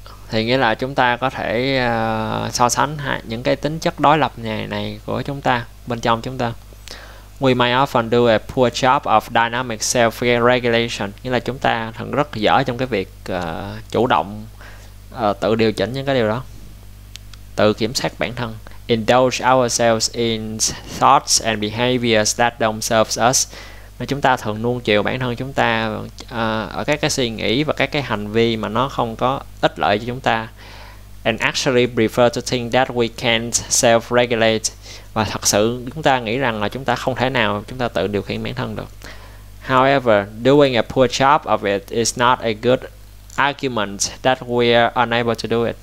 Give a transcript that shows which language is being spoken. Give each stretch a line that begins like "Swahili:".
Vietnamese: Thì nghĩa là chúng ta có thể so sánh những cái tính chất đối lập này của chúng ta, bên trong chúng ta.
English: We may often do a poor job of dynamic self-regulation.
Vietnamese: Nghĩa là chúng ta thường rất dở trong cái việc chủ động tự điều chỉnh những cái điều đó, tự kiểm soát bản thân.
English: Indulge ourselves in thoughts and behaviors that don't serve us.
Vietnamese: Nên chúng ta thường nuông chiều bản thân chúng ta ở các cái suy nghĩ và các cái hành vi mà nó không có ích lợi cho chúng ta.
English: And actually prefer to think that we can't self-regulate.
Vietnamese: Và thật sự chúng ta nghĩ rằng là chúng ta không thể nào chúng ta tự điều khiển bản thân được.
English: However, doing a poor job of it is not a good argument that we are unable to do it.